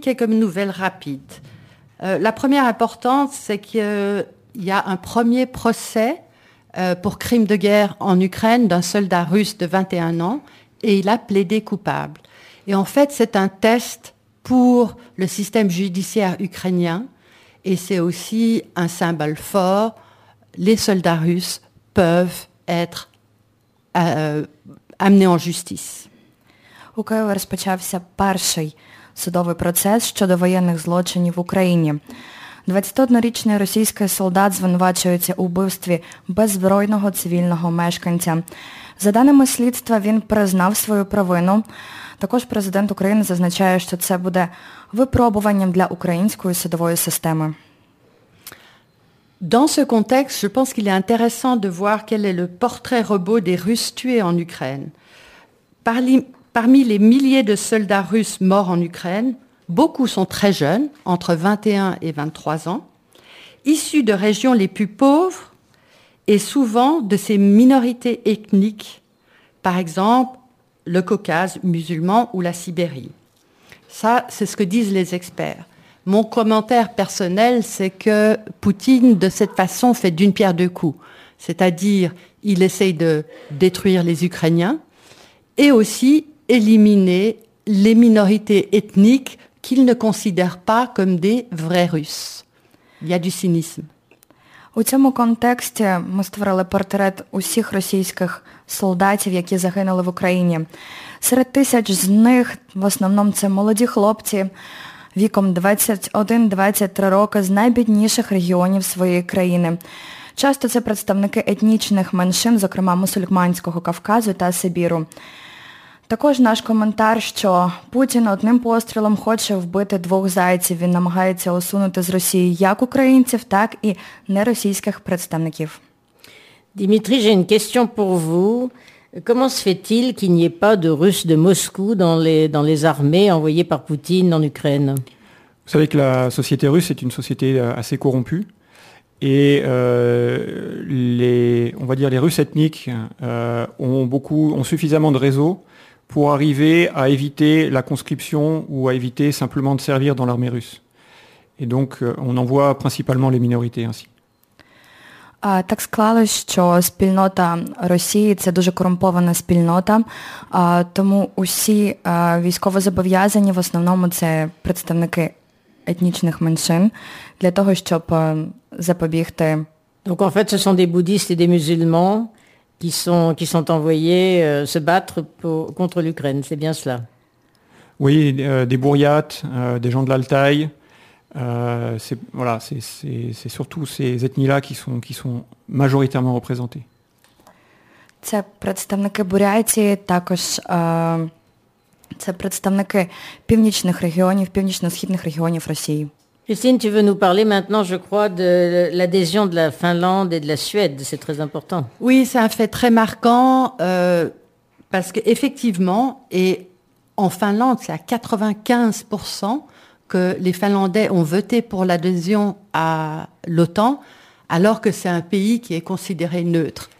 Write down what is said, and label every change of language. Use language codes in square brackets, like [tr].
[fr] Quelques nouvelles rapides. La première importante, c'est qu'il y a un premier procès pour crime de guerre en Ukraine d'un soldat russe de 21 ans et il a plaidé coupable. Et en fait, c'est un test pour le système judiciaire ukrainien et c'est aussi un symbole fort. Les soldats russes peuvent être amenés en justice. [uk] У Києві розпочався перший судовий процес щодо воєнних злочинів в Україні. 21-річний російський солдат звинувачується у вбивстві беззбройного цивільного мешканця. За даними слідства, він признав свою провину. Також президент України зазначає, що це буде випробуванням для української судової системи. [fr] Dans ce contexte, je pense qu'il est intéressant de voir quel est le portrait robot des Russes tués en Ukraine. Parmi les milliers de soldats russes morts en Ukraine, beaucoup sont très jeunes, entre 21 et 23 ans, issus de régions les plus pauvres et souvent de ces minorités ethniques, par exemple le Caucase musulman ou la Sibérie. Ça, c'est ce que disent les experts. Mon commentaire personnel, c'est que Poutine, de cette façon, fait d'une pierre deux coups. C'est-à-dire, il essaye de détruire les Ukrainiens et aussi éliminer les minorités ethniques qu'il ne considère pas comme des vrais Russes. Il y a du cynisme. [uk] У цьому контексті ми створили портрет усіх російських солдатів, які загинули в Україні. Серед тисяч з них, в основному, це молоді хлопці віком 21-23 роки з найбідніших регіонів своєї країни. Часто це представники етнічних меншин, зокрема мусульманського Кавказу та Сибіру. Також наш коментар, що Путін одним пострілом хоче вбити двох зайців. Він намагається усунути з Росії як українців, так і неросійських представників. [fr] Dimitri, j'ai une question pour vous. Comment se fait-il qu'il n'y ait pas de Russes de Moscou dans les armées envoyées par Poutine en Ukraine? Vous savez que la société russe est une société assez corrompue. Et les Russes ethniques ont suffisamment de réseaux pour arriver à éviter la conscription ou à éviter simplement de servir dans l'armée russe. Et donc, on envoie principalement les minorités ainsi. [uk] Так склалось, що спільнота Росії – це дуже корумпована спільнота, тому усі військовозобов'язані, в основному, це представники етнічних меншин, для того, щоб запобігти. [fr] Donc, en fait, ce sont des bouddhistes et des musulmans qui sont envoyés se battre contre l'Ukraine, c'est bien cela? Oui, des bouriates, des gens de l'Altaï, c'est surtout ces ethnies-là qui sont majoritairement représentées. [uk] Це представники Бурятії, також це представники північних регіонів, північно-східних регіонів Росії. [fr] Christine, tu veux nous parler maintenant, je crois, de l'adhésion de la Finlande et de la Suède. C'est très important. Oui, c'est un fait très marquant parce qu'effectivement, et en Finlande, c'est à 95% que les Finlandais ont voté pour l'adhésion à l'OTAN, alors que c'est un pays qui est considéré neutre.